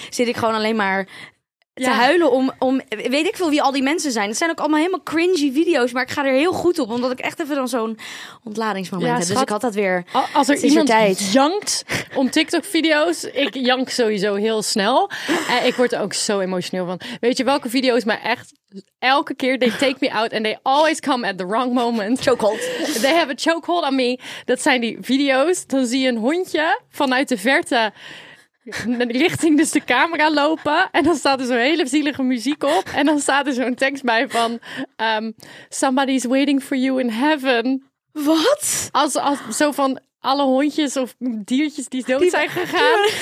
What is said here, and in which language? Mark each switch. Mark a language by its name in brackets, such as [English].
[Dutch] Zit ik gewoon alleen maar te huilen om. Weet ik veel wie al die mensen zijn. Het zijn ook allemaal helemaal cringy video's. Maar ik ga er heel goed op. Omdat ik echt even dan zo'n ontladingsmoment heb. Schat, dus ik had dat weer. Als er iemand jankt om TikTok-video's. Ik jank sowieso heel snel. En ik word er ook zo emotioneel van. Weet je welke video's me echt. Elke keer, [English] they take me out and they always come at the wrong moment. Chokehold. They have a chokehold on me. [Dutch] Dat zijn die video's. Dan zie je een hondje vanuit de verte richting dus de camera lopen. En dan staat er zo'n hele zielige muziek op. En dan staat er zo'n tekst bij van [English] somebody's waiting for you in heaven. [Dutch] Wat? Als zo van alle hondjes of diertjes die dood zijn gegaan.